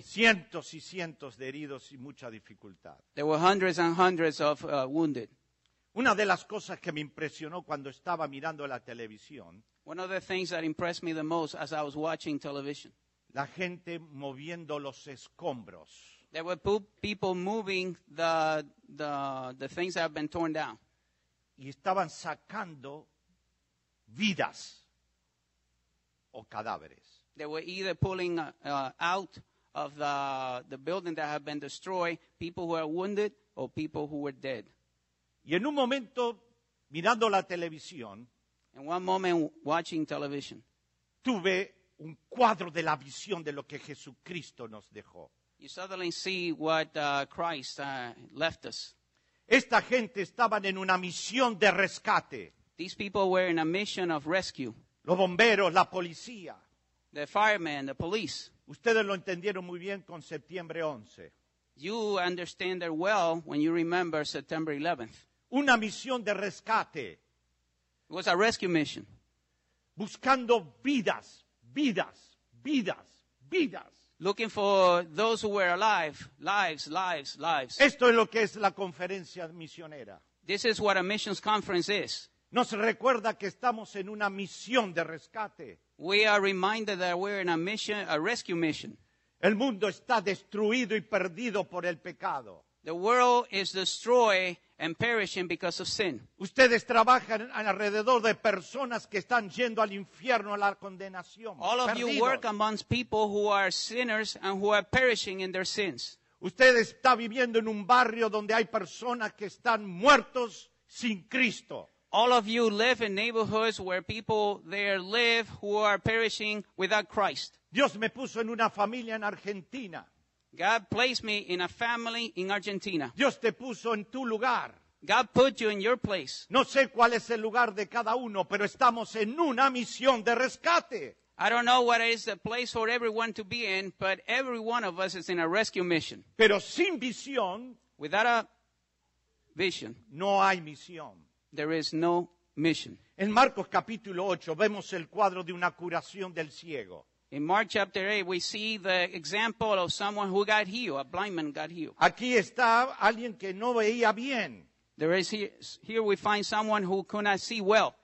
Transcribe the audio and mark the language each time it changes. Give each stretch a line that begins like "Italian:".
Spanish: Cientos y cientos de heridos y mucha dificultad.
English: There were hundreds and hundreds of wounded.
Spanish: Una de las cosas que me impresionó cuando estaba mirando la televisión.
English: One of the things that impressed me the most as I was watching television.
Spanish: La gente moviendo los escombros.
English: There were people moving the things that have been torn down.
Spanish: Y estaban sacando vidas o cadáveres.
English: They were either pulling out of the building that had been destroyed, people who were wounded or people who were dead.
Spanish: Y en un momento, mirando la televisión,
English: in one moment, watching television,
Spanish: tuve un cuadro de la visión de lo que Jesucristo nos dejó.
English: You suddenly see what Christ left us.
Spanish: Esta gente estaban en una misión de rescate.
English: These people were in a mission of rescue.
Spanish: Los bomberos, la policía.
English: The firemen, the police.
Spanish: Ustedes lo entendieron muy bien con septiembre 11.
English: You understand that well when you remember September 11th.
Spanish: Una misión de rescate.
English: It was a rescue mission.
Spanish: Buscando vidas, vidas, vidas, vidas.
English: Looking for those who were alive, lives, lives, lives.
Spanish: Esto es lo que es la conferencia misionera.
English: This is what a missions conference is.
Spanish: Nos recuerda que estamos en una misión de rescate.
English: We are reminded that we're in a mission, a rescue mission.
Spanish: El mundo está destruido y perdido por el pecado.
English: The world is destroyed and perishing because of sin.
Spanish: Ustedes trabajan alrededor de personas que están yendo al infierno, a la condenación.
English: All of
Spanish: perdidos.
English: You work amongst people who are sinners and who are perishing in their sins.
Spanish: Ustedes están viviendo en un barrio donde hay personas que están muertos sin Cristo.
English: All of you live in neighborhoods where people there live who are perishing without Christ.
Spanish: Dios me puso en una familia en Argentina.
English: God placed me in a family in Argentina.
Spanish: Dios te puso en tu lugar.
English: God put you in your place.
Spanish: No sé cuál es el lugar de cada uno, pero estamos en una misión de rescate.
English: I don't know what is the place for everyone to be in, but every one of us is in a rescue mission.
Spanish: Pero sin visión,
English: without a vision,
Spanish: no hay misión.
English: There is no mission.
Spanish: En Marcos capítulo 8 vemos el cuadro de una curación del ciego.
English: In Mark chapter 8, we see the example of someone who got healed, a blind man got healed.
Spanish: Aquí está alguien que no veía bien.
English: There is here we find someone who could not see well.